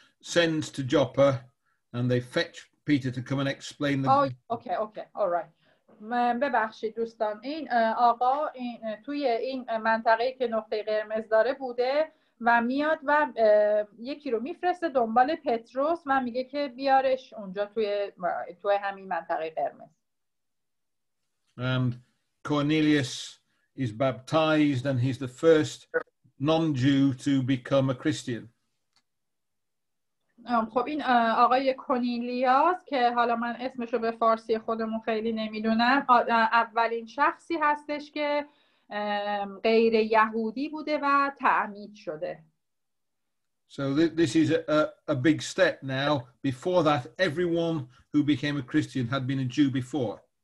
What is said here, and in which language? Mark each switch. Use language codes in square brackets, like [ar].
[en] sends to Joppa and they fetch Peter to come and explain the Okay, all right. [fa] ببخشید دوستان این آقا این توی این منطقه‌ای که نقطه قرمز داره بوده و میاد و یکی رو میفرسته دنبال پتروس و میگه که بیارش اونجا توی همین منطقه قرمز. [en] And Cornelius is baptized and he's the first non-Jew to become a Christian. [fa] خب این آقای کونیلیاس که حالا من اسمش رو به فارسی خودمون خیلی نمیدونم اولین شخصی هستش که غیر یهودی بوده و تعمید شده. [en] So this is a big step now. Before that everyone who became a Christian had been a Jew before.